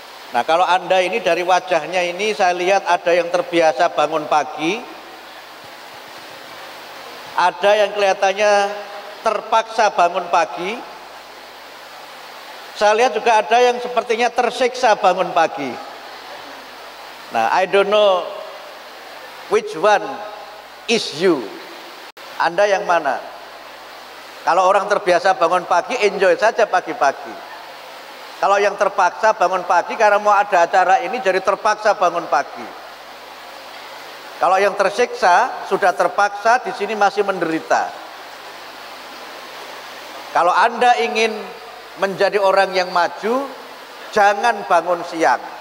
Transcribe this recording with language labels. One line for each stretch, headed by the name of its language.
Indonesian: Nah, kalau Anda ini dari wajahnya ini saya lihat ada yang terbiasa bangun pagi. Ada yang kelihatannya terpaksa bangun pagi. Saya lihat juga ada yang sepertinya tersiksa bangun pagi.
English: Nah, I don't know which one is you.
Indonesian: Anda yang mana? Kalau orang terbiasa bangun pagi, enjoy saja pagi-pagi. Kalau yang terpaksa bangun pagi karena mau ada acara ini, jadi terpaksa bangun pagi. Kalau yang tersiksa, sudah terpaksa, di sini masih menderita. Kalau Anda ingin menjadi orang yang maju, jangan bangun siang.